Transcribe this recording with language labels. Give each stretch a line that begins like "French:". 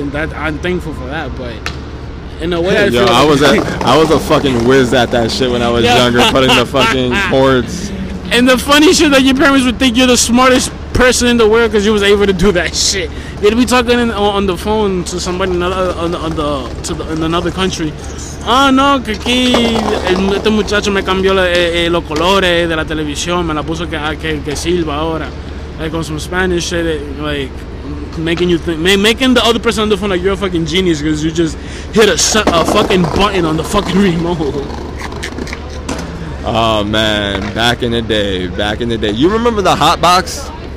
English: And that I'm thankful for that, but in a way, I
Spanish: yo,
English: feel I was like, I was a fucking whiz at that shit when I was younger, putting the fucking cords. And the funny shit that your parents would think you're the smartest person in the world because you was able to do that shit. They'd be talking on the phone to somebody in another country.
Spanish: Ah, oh, no, que aquí este muchacho me cambió los colores de la televisión, me la puso que sirva ahora.
English: Like, on some Spanish shit, like, making you think, making the other person on the phone like you're a fucking genius because you just hit a fucking button on the fucking remote. Oh, man, back in the day. You remember the hot box?